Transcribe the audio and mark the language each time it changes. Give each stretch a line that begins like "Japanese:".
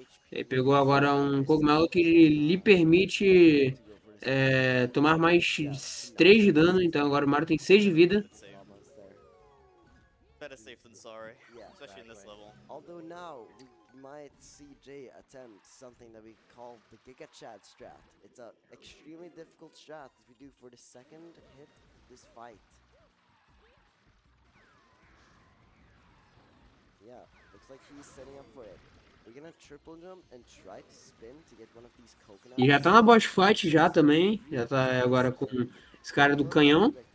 Portuguese: Ele pegou agora um cogumelo que lhe permite tomar mais 3 de dano, então agora o Mario tem 6 de vida.
English: Better safe than sorry, especially in this level. Although now we might see Jay attempt something that we call the Giga Chad strat. It's an extremely difficult strat that we do for the second hit of this fight. Yeah, looks like he's setting up for it. We're gonna triple jump and try to spin to get one of these coconuts.
Portuguese: E já tá na boss fight já também. Já tá agora com esse cara do canhão.